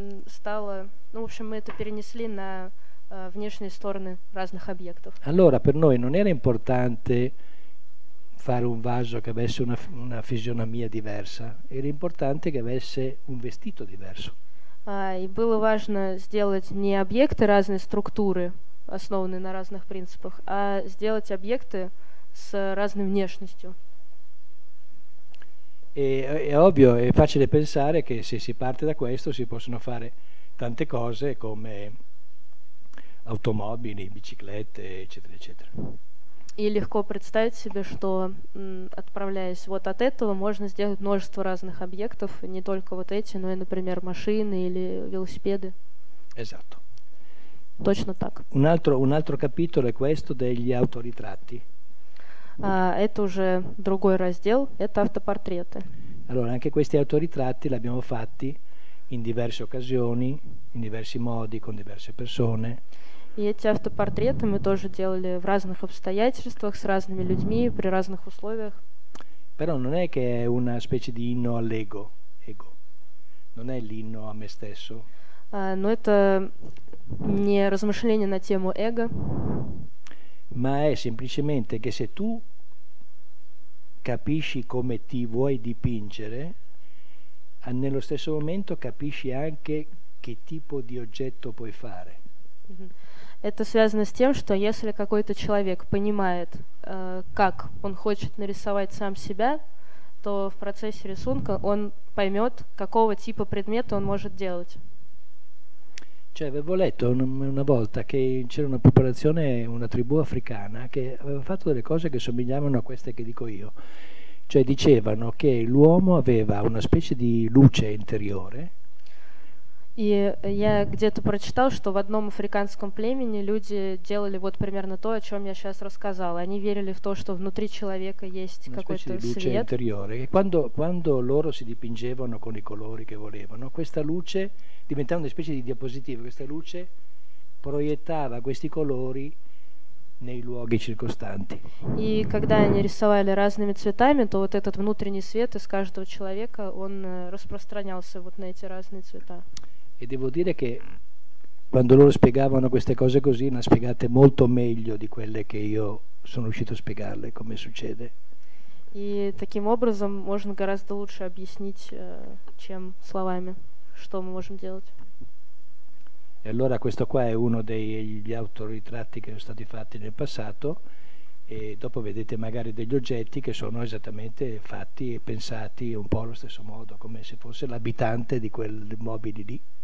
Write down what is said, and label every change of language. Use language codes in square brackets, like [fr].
[ru] Стало, ну, в общем, мы это перенесли на внешние стороны разных объектов. [it] Allora, per noi non era importante fare un vaso che avesse una fisionomia diversa, era importante che avesse un vestito diverso. [ru] E было важно сделать не объекты разной структуры, основанные на разных принципах, а сделать объекты с разной внешностью. [it] È ovvio, è facile pensare che se si parte da questo si possono fare tante cose come automobili, biciclette, eccetera, eccetera. [ru] И легко представить себе, что отправляясь вот от этого, можно сделать множество разных объектов, не только вот эти, но и, например, машины или велосипеды. [it] Esatto. [ru] Точно так. [it] Un altro capitolo è questo degli autoritratti. [ru] Это уже другой раздел, это автопортреты. [it] Allora, anche questi autoritratti li abbiamo fatti in diverse occasioni, in diversi modi, con diverse persone. [ru] И эти автопортреты мы тоже делали в разных обстоятельствах, с разными людьми, при разных условиях. [it] Però non è che è una specie di inno all'ego, ego. Non è l'inno a me stesso. [ru] Но это не размышление на тему эго. [it] Ma è semplicemente che se tu capisci come ti vuoi dipingere, nello stesso momento capisci anche che tipo di oggetto puoi fare. [ru] Это связано с тем, что если какой-то человек понимает, как он хочет нарисовать сам себя, то в процессе рисунка он поймет, какого типа предмета он может делать. [it] Cioè, avevo letto una volta che c'era una popolazione, una tribù africana, che aveva fatto delle cose che somigliavano a queste che dico io. Cioè, dicevano che l'uomo aveva una specie di luce interiore. [ru] И я где-то прочитал, что в одном африканском племени люди делали вот примерно то, о чем я сейчас рассказала. Они верили в то, что внутри человека есть какой-то свет. [it] Interiore. E quando loro si dipingevano con i colori che volevano, questa luce diventava una specie di diapositiva, questa luce proiettava questi colori nei luoghi circostanti. [ru] И когда они рисовали разными цветами, то вот этот внутренний свет из каждого человека, он распространялся вот на эти разные цвета. [it] E devo dire che quando loro spiegavano queste cose così, le spiegate molto meglio di quelle che io sono riuscito a spiegarle, come succede. [ru] И таким образом можно гораздо лучше объяснить, чем словами, что мы можем делать. [it] E allora questo qua è uno degli autoritratti che sono stati fatti nel passato, e dopo vedete magari degli oggetti che sono esattamente fatti e pensati un po' allo stesso modo, come se fosse l'abitante di quel mobili lì.